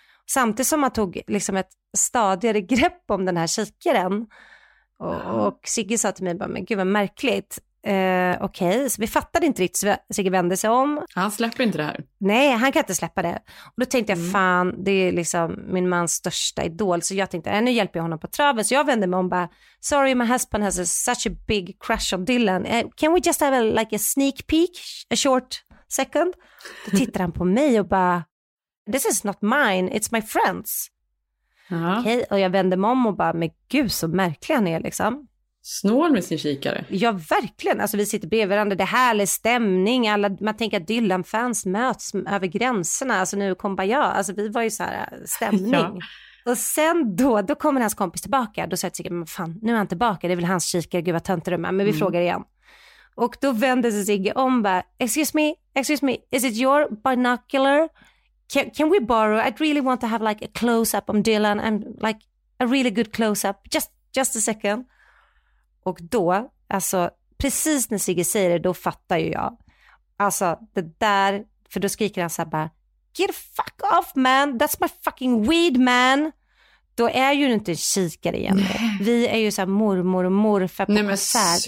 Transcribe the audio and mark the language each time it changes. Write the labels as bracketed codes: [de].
[sv] Samtidigt som han tog liksom ett stadigare grepp om den här kikaren. Och Sigge sa till mig, men gud vad märkligt. Okej, okay. Så vi fattade inte riktigt, så Sigge vände sig om. Han släpper inte det här. Nej, han kan inte släppa det. Och då tänkte jag, fan, det är liksom min mans största idol. Så jag tänkte, nu hjälper jag honom på traven. Så jag vände mig om bara, [en] sorry, my husband has such a big crush on Dylan. Can we just have like a sneak peek, a short second? [sv] Då tittar han på mig och bara, [en] this is not mine, it's my friends. [sv] Okej, okay. Och jag vände mig om och bara, men gud, så märklig han är liksom. Snål med sin kikare. Ja, verkligen. Alltså, vi sitter bredvid varandra. Det är härlig stämning. Alla, man tänker att Dylan-fans möts över gränserna. Alltså, nu kom bara jag. Alltså, vi var ju så här, stämning. Ja. Och sen då kommer hans kompis tillbaka. Då säger Sigge, men fan, nu är han tillbaka. Det är väl hans kikare. Gud, vad tönt det är. Men vi frågar igen. Och då vänder sig Sigge om. [en] Bara, excuse me, is it your binocular? Can we borrow? I'd really want to have like a close-up on Dylan. And like a really good close-up. Just a second. [sv] Och då, alltså precis när Sigge säger det, då fattar ju jag. Alltså det där, för då skriker han så här bara, [en] get the fuck off man, that's my fucking weed man. [sv] Då är ju inte en kikare igen. Vi är ju så här mormor och morfar på konsert.